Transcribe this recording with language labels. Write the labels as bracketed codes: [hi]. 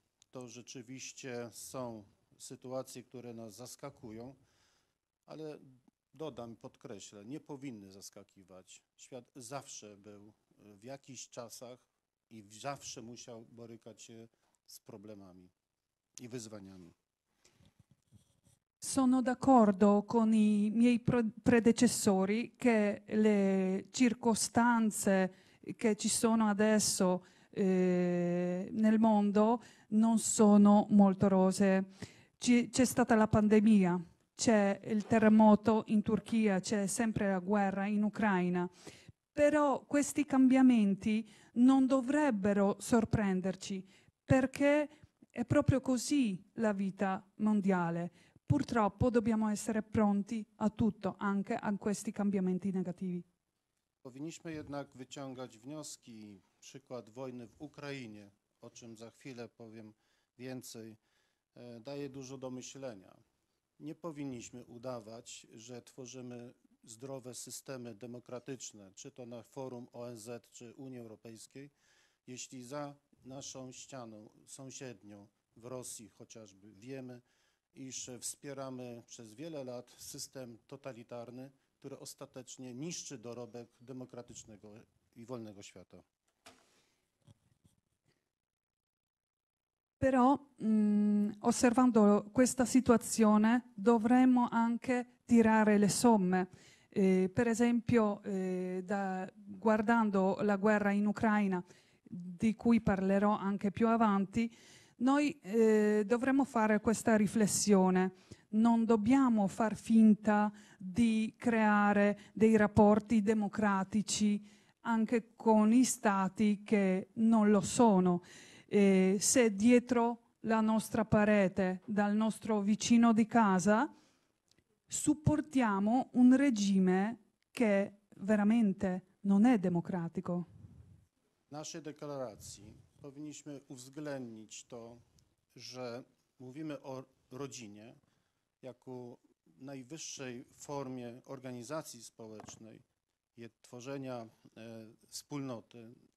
[pl] To rzeczywiście są sytuacje, które nas zaskakują, ale dodam, podkreślę, nie powinny zaskakiwać. Świat zawsze był w jakichś czasach i zawsze musiał borykać się z problemami i wyzwaniami. [it] Sono d'accordo con i miei predecessori che le circostanze che ci sono adesso nel mondo non sono molto rose. C'è stata la pandemia, c'è il terremoto in Turchia, c'è sempre la guerra in Ucraina. Però questi cambiamenti non dovrebbero sorprenderci, perché è proprio così la vita mondiale. Purtroppo dobbiamo essere pronti a tutto, anche a questi cambiamenti negativi. [pl] Powinniśmy jednak wyciągać wnioski, przykład wojny w Ukrainie, o czym za chwilę powiem więcej, daje dużo do myślenia. Nie powinniśmy udawać, że tworzymy zdrowe systemy demokratyczne, czy to na forum ONZ, czy Unii Europejskiej, jeśli za naszą ścianą sąsiednią w Rosji chociażby wiemy, iż wspieramy przez wiele lat system totalitarny, który ostatecznie niszczy dorobek demokratycznego i wolnego świata. [it] Però osservando questa situazione dovremmo anche tirare le somme. Per esempio, guardando la guerra in Ucraina, di cui parlerò anche più avanti, noi dovremmo fare questa riflessione. Non dobbiamo far finta di creare dei rapporti democratici anche con gli stati che non lo sono. Se dietro la nostra parete, dal nostro vicino di casa, supportiamo un regime che veramente non è democratico. [pl] Nasze deklaracji powinniśmy uwzględnić to, że mówimy o rodzinie jako najwyższej formie organizacji społecznej, tworzenia wspólnoty,